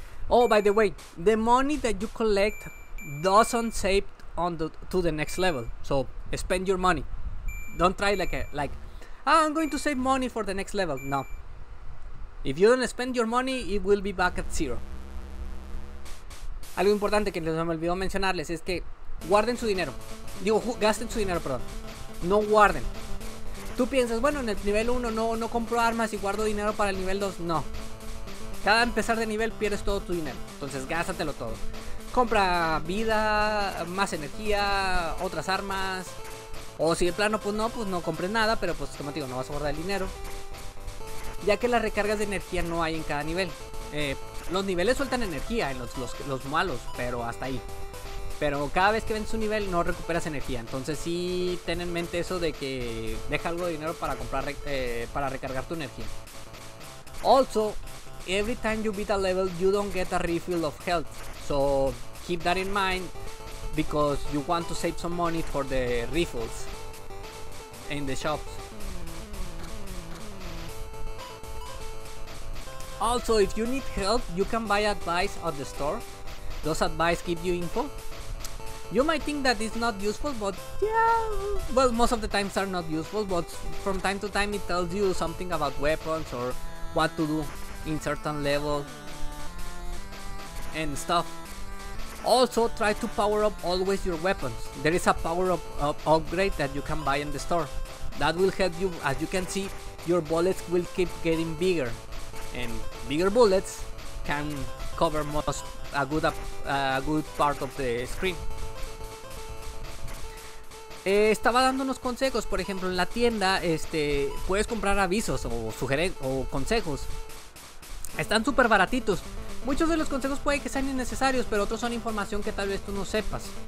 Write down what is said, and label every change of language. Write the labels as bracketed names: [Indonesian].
[English] Oh, by the way, the money that you collect doesn't save to the next level. So spend your money. Don't try I'm going to save money for the next level. No. If you don't spend your money, it will be back at zero. [Spanish] Algo importante que les me olvidó mencionarles es que guarden su dinero. Gasten su dinero, perdón. No guarden. Tú piensas, bueno, en el nivel 1 no compro armas y guardo dinero para el nivel 2. No. Cada empezar de nivel pierdes todo tu dinero. Entonces gástatelo todo. Compra vida, más energía, otras armas. O si de plano, pues no compres nada. Pero pues como te digo, no vas a guardar el dinero, ya que las recargas de energía no hay en cada nivel. Los niveles sueltan energía en los malos, pero hasta ahí. Pero cada vez que vendes un nivel no recuperas energía. Entonces sí ten en mente eso de que deja algo de dinero para comprar, para recargar tu energía. [English] Also, every time you beat a level you don't get a refill of health. So keep that in mind, because you want to save some money for the refills in the shops. Also, if you need help, you can buy advice at the store. Those advice give you info. You might think that it's not useful, but yeah, well, most of the times are not useful, but from time to time it tells you something about weapons or what to do in certain levels and stuff. Also, try to power up always your weapons. There is a power up upgrade that you can buy in the store that will help you. As you can see, your bullets will keep getting bigger, and bigger bullets can cover most a good part of the screen. [Spanish] Estaba dando unos consejos. Por ejemplo, en la tienda puedes comprar avisos o consejos. Están súper baratitos. Muchos de los consejos puede que sean innecesarios, pero otros son información que tal vez tú no sepas.